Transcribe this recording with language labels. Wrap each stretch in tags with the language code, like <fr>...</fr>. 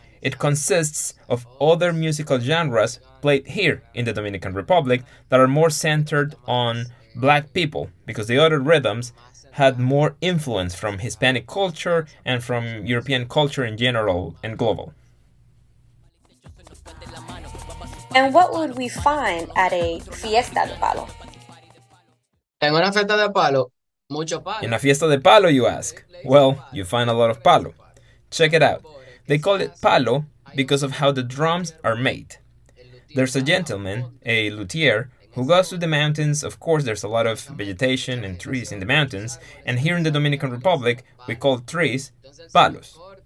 <en>It consists of other musical genres played here in the Dominican Republic that are more centered on black people, because the other rhythms had more influence from Hispanic culture and from European culture in general and global. And what would we find at a fiesta de palo?</en> <es>En una fiesta de palo, mucho palo.</es> <en>In a fiesta de palo, you ask. Well, you find a lot of palo. Check it out. They call it palo because of how the drums are made. There's a gentleman, a luthier, who goes to the mountains. Of course, there's a lot of vegetation and trees in the mountains. And here in the Dominican Republic, we call trees palos.</en>